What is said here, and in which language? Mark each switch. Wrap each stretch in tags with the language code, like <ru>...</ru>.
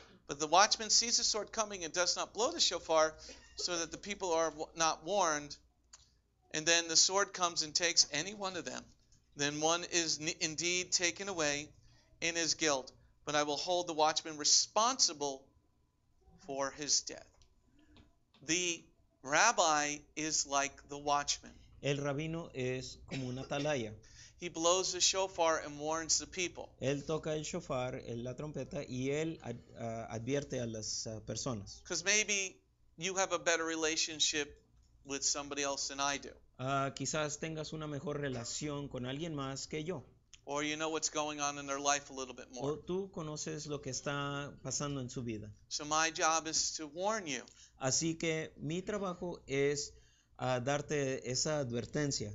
<en>But the watchman sees the sword coming and does not blow the shofar so that the people are not warned, and then the sword comes and takes any one of them, then one is indeed taken away in his guilt, but I will hold the watchman responsible for his death. The rabbi is like the watchman.</en> <es>El rabino es como una atalaya.</es> <en>He blows the shofar and warns the people.</en> <es>Él toca el shofar, la trompeta, y él advierte a las personas.</es> <en>Because maybe you have a better relationship with somebody else than I do.</en> <es>Quizás tengas una mejor relación con alguien más que yo.</es> <en>Or you know what's going on in their life a little bit more.</en> <es>O tú conoces lo que está pasando en su vida.</es> <en>So my job is to warn you.</en> <es>Así que mi trabajo es a darte esa advertencia.</es>